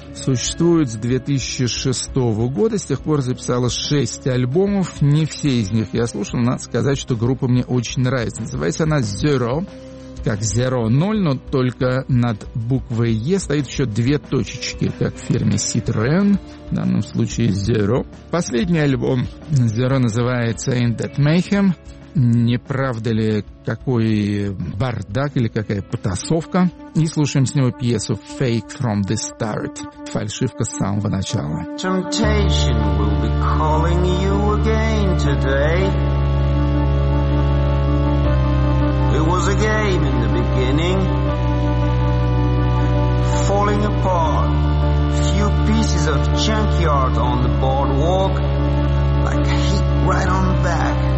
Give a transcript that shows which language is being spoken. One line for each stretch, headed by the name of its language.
Russian: Существует с 2006 года, с тех пор записала 6 альбомов. Не все из них я слушал, надо сказать, что группа мне очень нравится. Называется она «Zero», как «Zero 0», но только над буквой «Е» стоит еще две точечки, как в фирме «Citroën», в данном случае «Zero». Последний альбом «Zero» называется «In That Mayhem». Не правда ли, какой бардак или какая потасовка? И слушаем с него пьесу «Fake from the Start» — фальшивка с самого начала.
English: Temptation will be calling you again today. It was a game in the beginning, falling apart. Few pieces of junkyard on the boardwalk, like a heap right on the back.